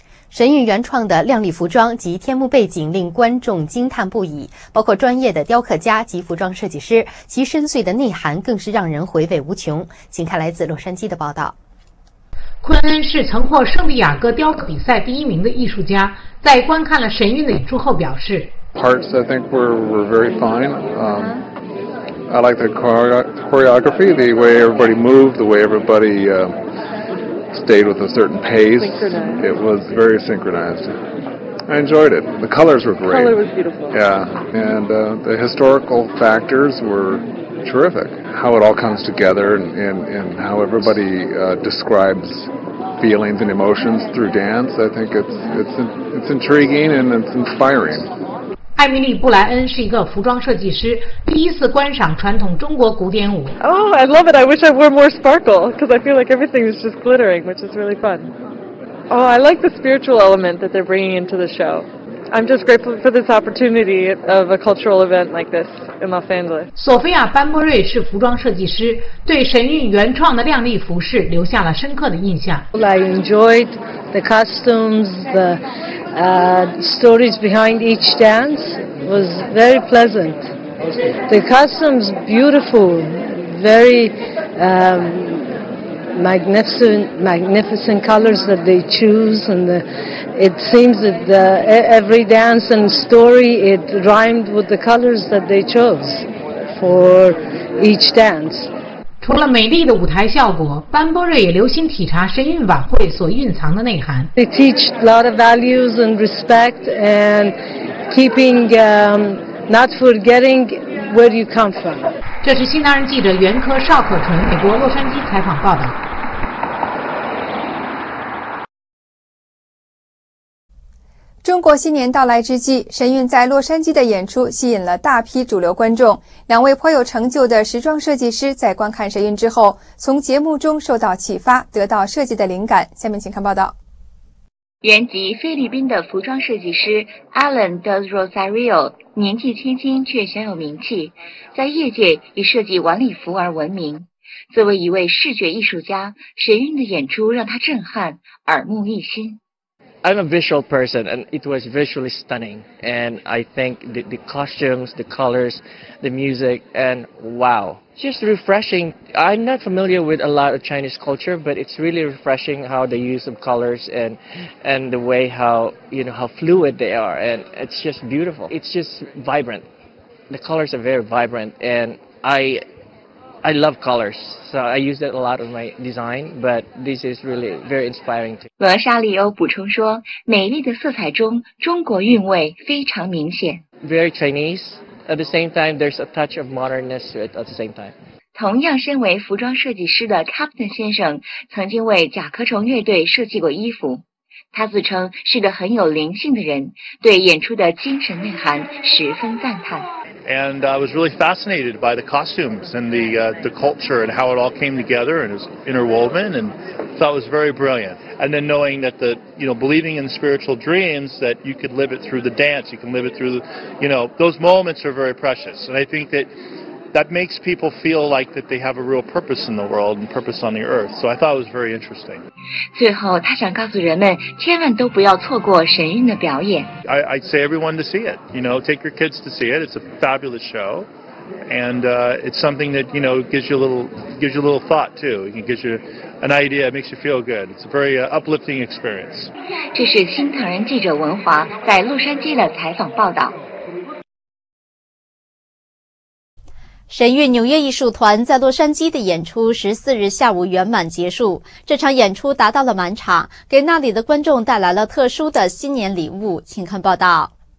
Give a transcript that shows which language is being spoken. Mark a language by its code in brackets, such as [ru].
[zh] 神韵原创的亮丽服装及天幕背景令观众惊叹不已，包括专业的雕刻家及服装设计师，其深邃的内涵更是让人回味无穷。请看来自洛杉矶的报道。昆恩是曾获圣地亚哥雕刻比赛第一名的艺术家，在观看了神韵的演出后表示 [en] Parts I think were very fine. I like the choreography, the way everybody moved, the way everybody stayed with a certain pace. It was very synchronized. I enjoyed it. The colors were great. The color was beautiful. Yeah, and the historical factors were terrific. How it all comes together and how everybody describes feelings and emotions through dance, I think it's intriguing and it's inspiring. [zh] 艾米丽·布莱恩是一个服装设计师，第一次观赏传统中国古典舞。 [en] Oh, I love it. I wish I wore more sparkle because I feel like everything is just glittering, which is really fun. Oh, I like the spiritual element that they're bringing into the show. I'm just grateful for this opportunity of a cultural event like this in Los Angeles. [zh] 索菲亚·班波瑞是服装设计师，对神韵原创的亮丽服饰留下了深刻的印象。 [en] I enjoyed the costumes, the stories behind each dance was very pleasant. The costumes beautiful, very magnificent colors that they choose, and it seems that every dance and story, it rhymed with the colors that they chose for each dance. [zh] 除了美丽的舞台效果，班波瑞也留心体察神韵晚会所蕴藏的内涵。 [en] They teach a lot of values and respect and keeping, not forgetting where you come from. [zh] 这是新唐人记者袁科、邵可纯，美国洛杉矶采访报道。中国新年到来之际，神韵在洛杉矶的演出吸引了大批主流观众。两位颇有成就的时装设计师在观看神韵之后，从节目中受到启发，得到设计的灵感。下面请看报道。原籍菲律宾的服装设计师 Alan Del Rosario 年纪轻轻却小有名气，在业界以设计晚礼服而闻名。作为一位视觉艺术家，神韵的演出让他震撼，耳目一新。 [en] I'm a visual person, and it was visually stunning. And I think the costumes, the colors, the music, and wow. Just refreshing. I'm not familiar with a lot of Chinese culture, but it's really refreshing how the use of colors and the way how fluid they are. And it's just beautiful. It's just vibrant. The colors are very vibrant, and I love colors, so I use it a lot in my design, but this is really very inspiring too. [zh] 罗莎莉欧补充说，美丽的色彩中中国韵味非常明显。 [en] Very Chinese. At the same time, there's a touch of modernness to it at the same time. [zh] 同样身为服装设计师的 Captain 先生曾经为甲壳虫乐队设计过衣服。他自称是个很有灵性的人，对演出的精神内涵十分赞叹。 [en] And I was really fascinated by the costumes and the culture and how it all came together and is interwoven, and thought it was very brilliant. And then knowing that believing in spiritual dreams, that you could live it through the dance, you can live it through, those moments are very precious. And I think that makes people feel like that they have a real purpose in the world and purpose on the earth. So I thought it was very interesting. [zh] 最后他想告诉人们千万都不要错过神韵的表演。 [en] I'd say everyone to see it. Take your kids to see it. It's a fabulous show. And it's something that, gives you a little thought too. It gives you an idea. It makes you feel good. It's a very uplifting experience. [zh] 这是新唐人记者文华在洛杉矶的采访报道。神韵纽约艺术团在洛杉矶的演出14日下午圆满结束，这场演出达到了满场，给那里的观众带来了特殊的新年礼物，请看报道。